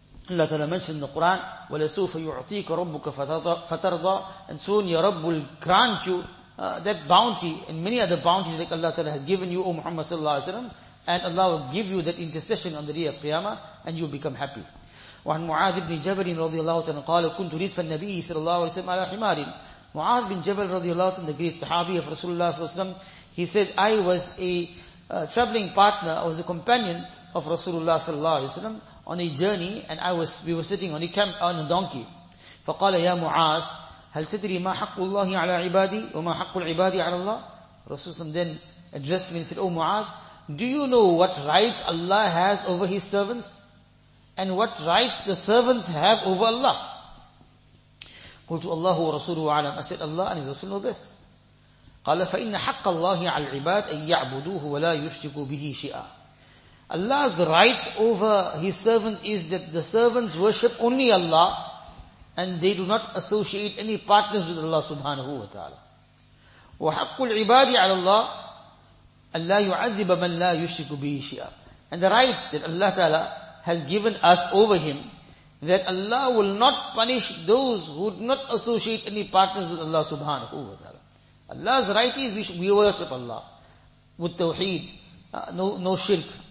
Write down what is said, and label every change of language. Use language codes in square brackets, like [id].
[en] Allah Ta'ala mentioned in the Quran, [ar] وَلَسُوفَ يُعْطِيكَ رَبُّكَ فَتَرْضَى, [en] and soon your Rabb will grant you that bounty and many other bounties like Allah Ta'ala has given you, O Muhammad Sallallahu Alaihi Wasallam, and Allah will give you that intercession on the day of Qiyamah, and you will become happy. [ar] وعن معاذ بن جبل رضي الله عنه قال كنت ردف النبي صلى الله عليه وسلم على حمار. [en] معاذ بن جبل رضي الله عنه, the great Sahabi of رسول الله صلى الله عليه وسلم, he said, I was a traveling partner, I was a companion of Rasulullah صلى الله عليه وسلم on a journey, and we were sitting on a camp on a donkey. [ar] فقال يا معاذ هل تدري ما حق الله على عبادي وما حق العباد على الله. [en] رسول الله then addressed me and said, Oh معاذ, do you know what rights Allah has over His servants? And what rights the servants have over Allah? [ar] قلت الله ورسوله أعلم. [en] I said, Allah and His Rasul know best. [ar] قال فإن حق الله على العباد أن يعبدوه ولا يشركوا به شيئا. [en] Allah's rights over His servants is that the servants worship only Allah, and they do not associate any partners with Allah subhanahu wa ta'ala. [ar] وحق العباد على الله أن لا يعذب من لا يشرك به شيئا. [en] And the right that Allah ta'ala has given us over Him, that Allah will not punish those who do not associate any partners with Allah subhanahu wa ta'ala. Allah's right is we worship Allah with tawheed, no shirk.